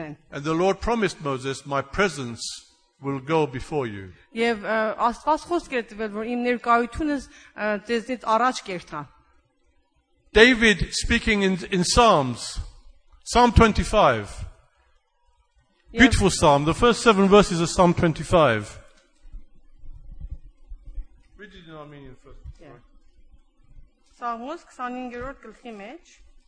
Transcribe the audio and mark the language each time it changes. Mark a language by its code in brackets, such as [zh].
[en] And the Lord promised Moses, "My presence will go before you." [hy] Եվ Աստված խոսք է տվել, որ իմ ներկայությունս ձեզնից առաջ կերթա. [en] David speaking in Psalms, Psalm 25. Beautiful psalm. The first 7 verses of Psalm 25. Read it in Armenian first. [hy] Psalms 25-րդ գլխի մեջ.